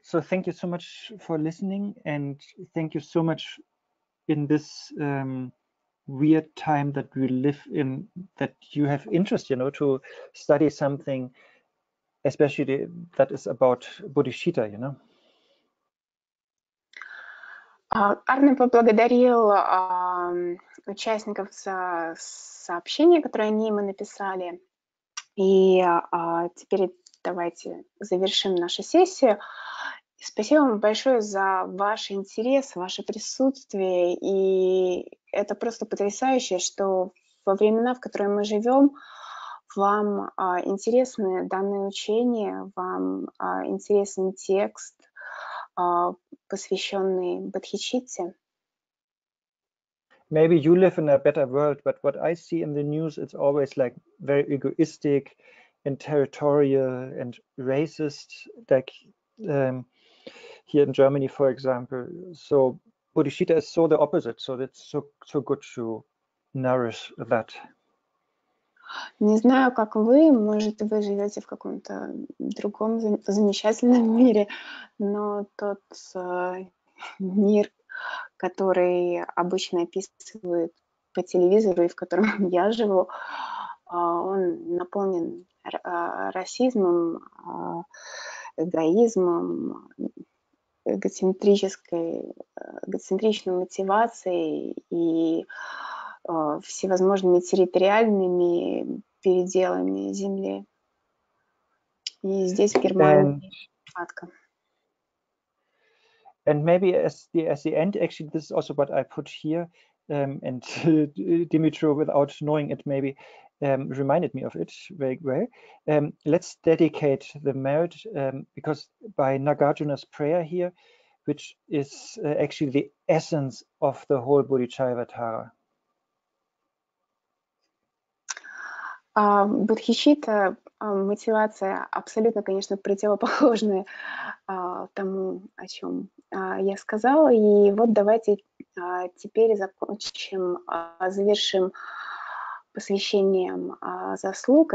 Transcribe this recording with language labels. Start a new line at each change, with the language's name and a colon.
English: So thank you so much for listening, and thank you so much in this weird time that we live in, that you have interest, you know, to study something, especially that is about bodhicitta, you know.
Russian: Арне поблагодарил участников за сообщение, которое они ему написали. И теперь давайте завершим нашу сессию. Спасибо вам большое за ваш интерес, ваше присутствие. И это просто потрясающе, что во времена, в которые мы живем, вам интересны данные учения, вам интересен текст, посвященный Бодхичитте.
English: Maybe you live in a better world, but what I see in the news, it's always like very egoistic and territorial and racist, like here in Germany, for example. So Bodhicitta is so the opposite, so that's so good to nourish that.
Russian: Не знаю, как вы, может, вы живете в каком-то другом замечательном мире, но тот мир, который обычно описывают по телевизору и в котором я живу, он наполнен расизмом, эгоизмом, эгоцентричной мотивацией и всевозможными территориальными переделами земли. И здесь, в Германии, схватка.
English: And maybe as the end, actually, this is also what I put here, and Dimitro, without knowing it, maybe reminded me of it very well. Let's dedicate the marriage, because by Nagarjuna's prayer here, which is actually the essence of the whole Bodhicaryavatara.
Russian: Бодхичитта, мотивация абсолютно, конечно, противоположная тому, о чем я сказала. И вот давайте теперь закончим, завершим посвящением заслуг.